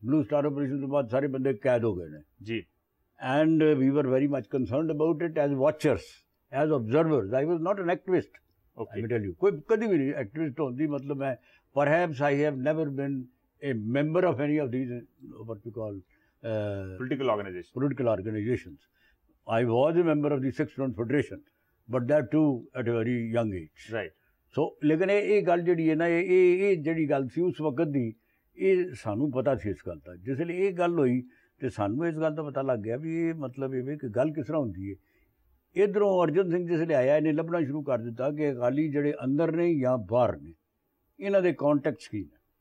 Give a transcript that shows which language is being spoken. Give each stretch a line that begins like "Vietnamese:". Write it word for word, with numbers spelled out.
Punjabi: Blue star operation ਤੋਂ ਬਾਅਦ ਸਾਰੇ ਬੰਦੇ ਕੈਦ ਹੋ ਗਏ ਨੇ, ਜੀ
English: And we were very much concerned about it as watchers, as observers. I was not an activist, I okay will tell you,
Punjabi: ਕੋਈ ਕਦੀ ਵੀ ਨਹੀਂ ਐਕਟਿਵਿਸਟ ਹੁੰਦੀ। ਮਤਲਬ ਮੈਂ
English: Perhaps I have never been a member of any of these what we call political organization political organizations. I was a member of the Sikh Student Federation, but that too at a very young age. Right
Punjabi: So, ਲੇਕਿਨ ਇਹ ਇਹ ਗੱਲ ਜਿਹੜੀ ਹੈ ਨਾ, ਇਹ ਇਹ ਇਹ ਜਿਹੜੀ ਗੱਲ ਸੀ ਉਸ ਵਕਤ ਦੀ, ਇਹ ਸਾਨੂੰ ਪਤਾ ਸੀ ਇਸ ਗੱਲ ਦਾ। ਜਿਸ ਲਈ ਇਹ ਗੱਲ ਹੋਈ ਤੇ ਸਾਨੂੰ ਇਸ ਗੱਲ ਦਾ ਪਤਾ ਲੱਗ ਗਿਆ ਵੀ ਇਹ ਮਤਲਬ ਇਹ ਕਿ ਗੱਲ ਕਿਸ ਤਰ੍ਹਾਂ ਹੁੰਦੀ ਹੈ। ਇੱਧਰੋਂ ਅਰਜਨ ਸਿੰਘ ਜਿਸ ਲਈ ਆਇਆ, ਇਹਨੇ ਲੱਭਣਾ ਸ਼ੁਰੂ ਕਰ ਦਿੱਤਾ ਕਿ ਅਕਾਲੀ ਜਿਹੜੇ ਅੰਦਰ ਨੇ ਜਾਂ ਬਾਹਰ ਨੇ, ਇਹਨਾਂ ਦੇ ਕੰਟੈਕਟਸ ਕੀ ਨੇ,